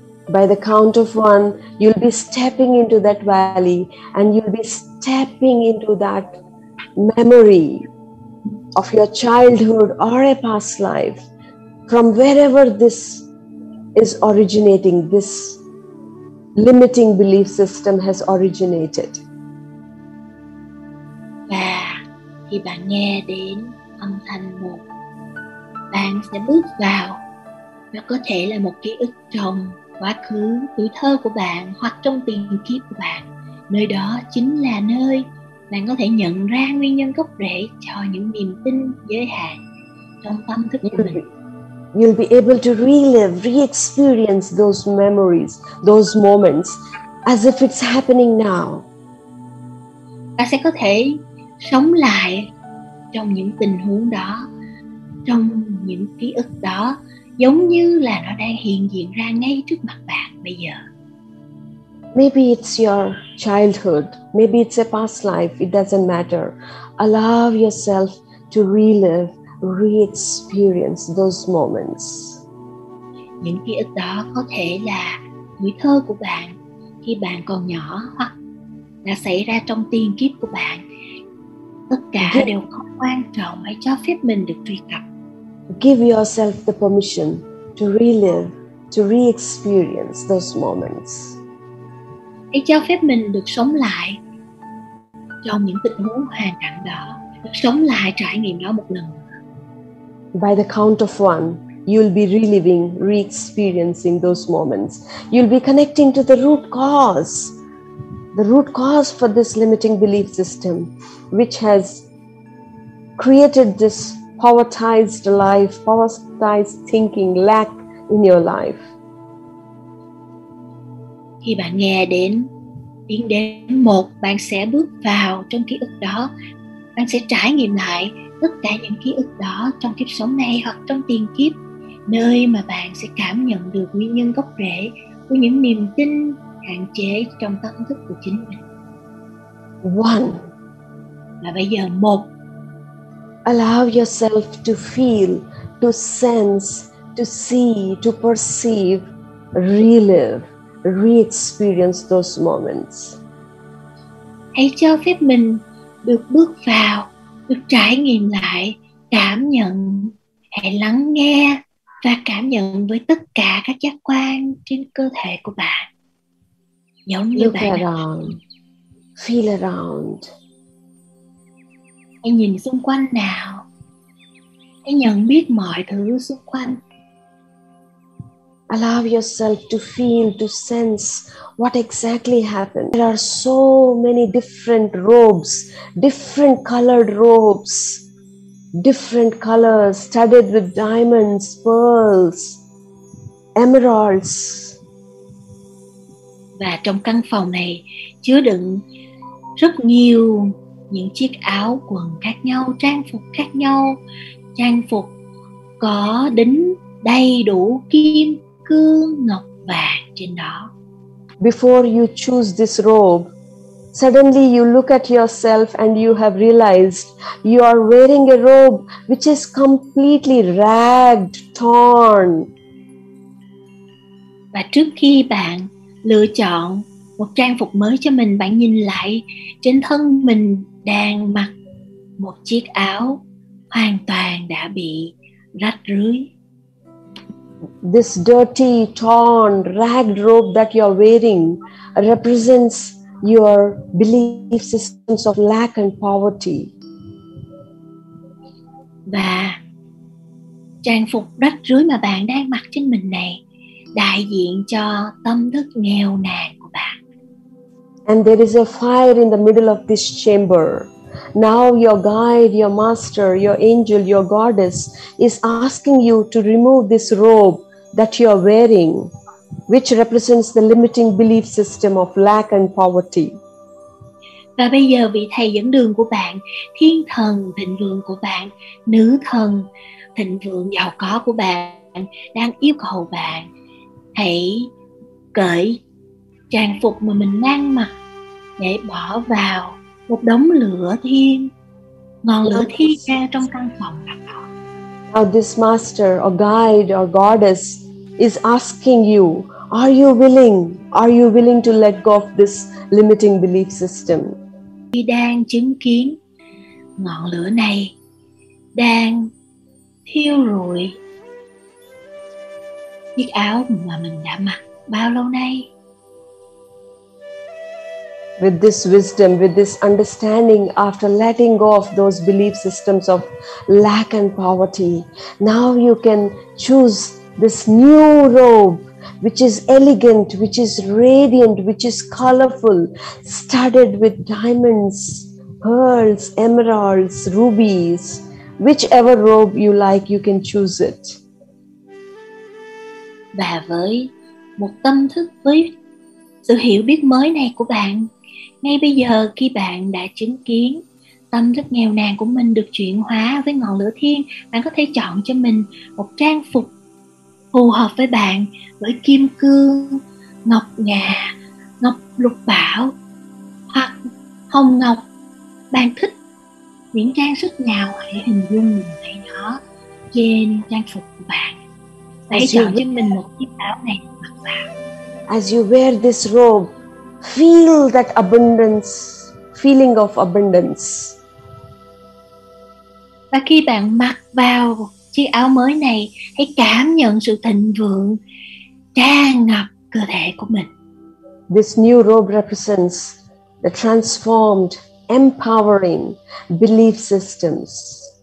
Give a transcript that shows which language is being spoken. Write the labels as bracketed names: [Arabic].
[English] By the count of 1, you'll be stepping into that valley and you'll be stepping into that memory of your childhood or a past life, from wherever this is originating, this limiting belief system has originated. [Vietnamese] Và khi bạn nghe đến âm thanh 1, bạn sẽ bước vào, nó có thể là một ký ức trong quá khứ, tuổi thơ của bạn hoặc trong tiền kiếp của bạn. Nơi đó chính là nơi bạn có thể nhận ra nguyên nhân gốc rễ cho những niềm tin giới hạn trong tâm thức của mình. [English] You'll be able to relive, re-experience those memories, those moments, as if it's happening now. [Vietnamese] Bạn sẽ có thể sống lại trong những tình huống đó, trong những ký ức đó, giống như là nó đang hiện diện ra ngay trước mặt bạn bây giờ. [English] Maybe it's your childhood, maybe it's a past life, it doesn't matter. Allow yourself to relive, re-experience those moments. [Vietnamese] Những ký ức đó có thể là tuổi thơ của bạn khi bạn còn nhỏ, hoặc là xảy ra trong tiền kiếp của bạn. Tất cả đều không quan trọng, hãy cho phép mình được truy cập. [English] Give yourself the permission to relive, to re-experience those moments. [Vietnamese] Hãy cho phép mình được sống lại trong những tình huống hoàn cảnh đó, được sống lại trải nghiệm đó một lần. [English] By the count of 1, you'll be reliving, re-experiencing those moments. You'll be connecting to the root cause for this limiting belief system, which has created this powertized life, powertized thinking lack in your life. [Vietnamese] Khi bạn nghe đến tiếng đếm 1, bạn sẽ bước vào trong ký ức đó. Bạn sẽ trải nghiệm lại tất cả những ký ức đó trong kiếp sống này hoặc trong tiền kiếp, nơi mà bạn sẽ cảm nhận được nguyên nhân gốc rễ của những niềm tin hạn chế trong tâm thức của chính mình. [English] 1. [Vietnamese] Và bây giờ 1. [English] Allow yourself to feel, to sense, to see, to perceive, relive, re-experience those moments. [Vietnamese] Hãy cho phép mình được bước vào, được trải nghiệm lại, cảm nhận, hãy lắng nghe và cảm nhận với tất cả các giác quan trên cơ thể của bạn. giống như [English] look [Vietnamese] bạn [English] around, [Vietnamese] đó. [English] Feel around. [Vietnamese] Hãy nhìn xung quanh nào. Hãy nhận biết mọi thứ xung quanh. [English] Allow yourself to feel, to sense what exactly happened. There are so many different robes, different colored robes, different colors studded with diamonds, pearls, emeralds. [Vietnamese] Và trong căn phòng này chứa đựng rất nhiều những chiếc áo quần khác nhau, trang phục khác nhau, trang phục có đính đầy đủ kim cương ngọc vàng trên đó. [English] Before you choose this robe, suddenly you look at yourself and you have realized you are wearing a robe which is completely ragged, torn. [Vietnamese] Và trước khi bạn lựa chọn một trang phục mới cho mình, bạn nhìn lại trên thân mình đang mặc một chiếc áo hoàn toàn đã bị rách rưới. [English] This dirty, torn, ragged robe that you're wearing represents your belief systems of lack and poverty. [Vietnamese] Và trang phục rách rưới mà bạn đang mặc trên mình này đại diện cho tâm thức nghèo nàn của bạn. [English] And there is a fire in the middle of this chamber. Now your guide, your master, your angel, your goddess is asking you to remove this robe that you are wearing, which represents the limiting belief system of lack and poverty. [Vietnamese] Và bây giờ vị thầy dẫn đường của bạn, thiên thần thịnh vượng của bạn, nữ thần thịnh vượng giàu có của bạn đang yêu cầu bạn hãy cởi trang phục mà mình mang mặc để bỏ vào một đống lửa thiêng, ngọn lửa thiêng ra trong căn phòng đó. [English] Now this master or guide or goddess is asking you, are you willing? Are you willing to let go of this limiting belief system? [Vietnamese] Khi đang chứng kiến ngọn lửa này đang thiêu rụi chiếc áo mà mình đã mặc bao lâu nay. [English] With this wisdom, with this understanding, after letting go of those belief systems of lack and poverty, now you can choose this new robe, which is elegant, which is radiant, which is colorful, studded with diamonds, pearls, emeralds, rubies, whichever robe you like, you can choose it. [Vietnamese] Và với một tâm thức, với sự hiểu biết mới này của bạn, ngay bây giờ khi bạn đã chứng kiến tâm thức nghèo nàn của mình được chuyển hóa với ngọn lửa thiêng, bạn có thể chọn cho mình một trang phục phù hợp với bạn, với kim cương, ngọc ngà, ngọc lục bảo hoặc hồng ngọc. Bạn thích những trang sức nào, hãy hình dung mình thấy nó trên trang phục của bạn. Hãy chọn cho mình một chiếc áo này mặc vào. [English] As you wear this robe, feel that abundance, feeling of abundance. [Vietnamese] Và khi bạn mặc vào chiếc áo mới này, hãy cảm nhận sự thịnh vượng tràn ngập cơ thể của mình. [English] This new robe represents the transformed, empowering belief systems.